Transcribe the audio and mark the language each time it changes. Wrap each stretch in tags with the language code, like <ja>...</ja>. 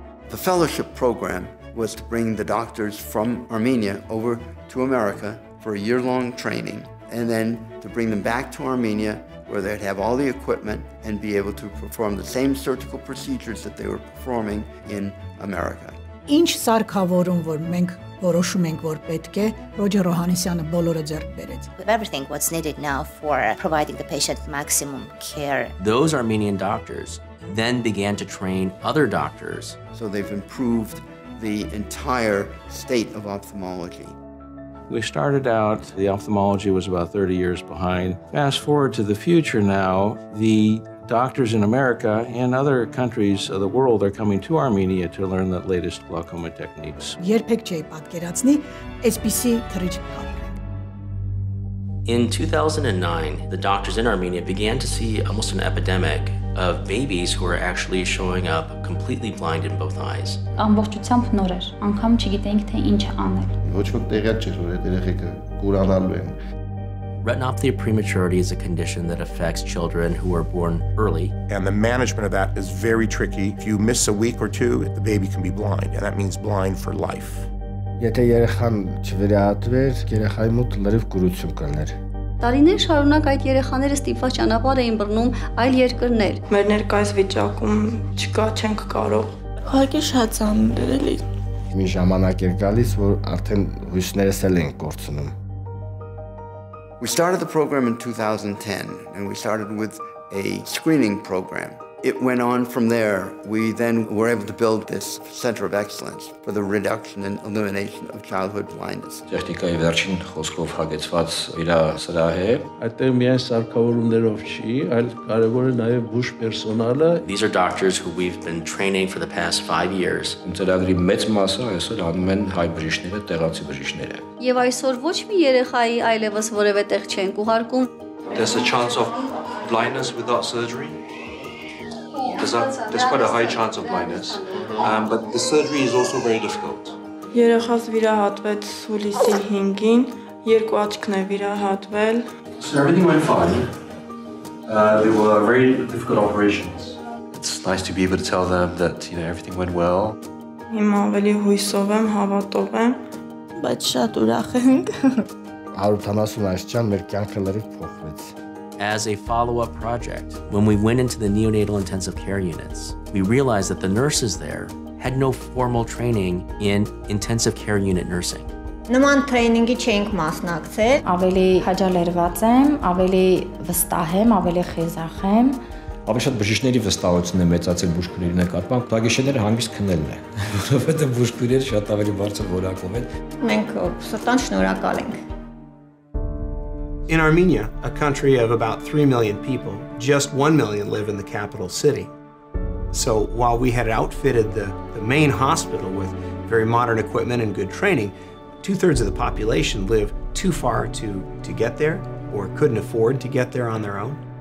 <en>The fellowship program was to bring the doctors from Armenia over to America for a year-long training, and then to bring them back to Armenia where they'd have all the equipment and be able to perform the same surgical procedures that they were performing in America.</en> <hy>Ինչ սարքավորում, որ մենք որոշում ենք, որ պետք է, Ռոջեր Օհանեսյանը բոլորը ձեռք բերեց.</hy> <en>Everything what's needed now for providing the patient maximum care. Those Armenian doctors then began to train other doctors. So they've improved the entire state of ophthalmology. We started out, the ophthalmology was about 30 years behind. Fast forward to the future now, the doctors in America and other countries of the world are coming to Armenia to learn the latest glaucoma techniques.</en> <hy>Երբեք չէի պատկերացնի, այսպիսի թրիչք կապրենք.</hy> <en>In 2009, the doctors in Armenia began to see almost an epidemic of babies who are actually showing up completely blind in both eyes.</en> <hy>Ամբողջությամբ նոր էր, անգամ չգիտենք թե ինչ անել։ Ոչ մեկ տեղյակ չէր, որ այդ երեխեքը կուրանալու են։</hy> <en>Retinopathy of prematurity is a condition that affects children who are born early. And the management of that is very tricky. If you miss a week or two, the baby can be blind, and that means blind for life.</en> <hy>Եթե երեխան չվերահատվեր, երեխայի մոտ լրիվ կուրություն կլիներ։ Տարիներ շարունակ այդ երեխաները ստիպված ճանապարհ էին բռնում այլ երկրներ։ Մեր ներկայիս վիճակում չկա, չենք կարող։ Ուղղակի շատ ծանր էլի։ Մի ժամանակ էր գալիս, որ արդեն հույսներս էլ են կորցնում։</hy> <en>We started the program in 2010, and we started with a screening program. It went on from there. We then were able to build this center of excellence for the reduction and elimination of childhood blindness.</en> <hy>Տեխնիկայի վերջին խոսքով հագեցված իրա սրահ է։ Այդտեղ միայն սարքավորումներով չի, այլ կարևորը նաև բուժ պերսոնալը։</hy> <en>These are doctors who we've been training for the past 5 years.</en> <hy>Ընդդարձի մեծ մասը այսօր անում են հայ բժիշկները, տեղացի բժիշկները։ Եվ այսօր ոչ մի երեխայի այլևս որևէ տեղ չեն կուղարկում։</hy> <en>There's a chance of blindness without surgery. There's quite a high chance of blindness, but the surgery is also very difficult.</en> <hy>Երեխան վիրահատվեց հուլիսի 5-ին, երկու աչքն է վիրահատվել.</hy> <en>So everything went fine. They were very difficult operations. It's nice to be able to tell them that, you know, everything went well.</en> <hy>Հիմա ավելի հույսով եմ, հավատով եմ, բայց շատ ուրախ ենք. 180 աստիճան մեր կյանքը լրիվ փոխվեց.</hy> <en>As a follow-up project, when we went into the neonatal intensive care units, we realized that the nurses there had no formal training in intensive care unit nursing.</en> <hy>Նման տրեյնինգի չենք մասնակցել։ Ավելի հաջալերված եմ, ավելի վստահ եմ, ավելի խիզախ եմ։ Ավելի շատ բժիշկների վստահությունն է մեծացել բուժքույրերի նկատմամբ, դագիշները հանգիստ քնելն է, որովհետև բուժքույրերը շատ ավելի բարձր որակում են։ Մենք սրտան շնորհակալ ենք։</hy> <en>In Armenia, a country of about 3 million people, just 1 million live in the capital city. So while we had outfitted the main hospital with very modern equipment and good training, two-thirds of the population live too far to get there or couldn't afford to get there on their own.</en>